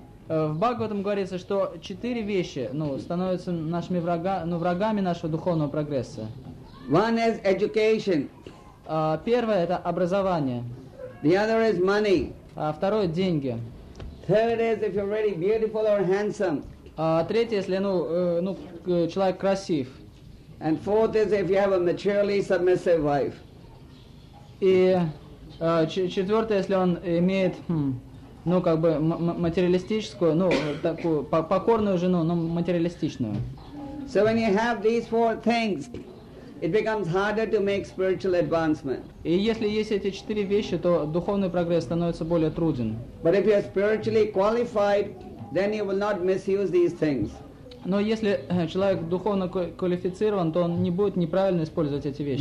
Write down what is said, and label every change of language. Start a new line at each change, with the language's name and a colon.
Russian: В Бхагаватам говорится, что четыре вещи, становятся нашими врагами нашего духовного прогресса.
English: One is education.
Russian: Первое это образование.
English: The other is money.
Russian: Второе – деньги.
English: Third is if you're really beautiful or handsome.
Russian: Третье – если человек красив.
English: And fourth is if you have a maturely submissive wife.
Russian: И четвертое – если он имеет материалистическую, такую покорную жену, материалистичную.
English: So when you have these four things, it becomes harder to make spiritual advancement.
Russian: И если есть эти четыре вещи, то духовный прогресс становится более труден.
English: But if you are spiritually qualified, then you will not misuse these things.
Russian: Но если человек духовно квалифицирован, то он не будет неправильно использовать эти вещи.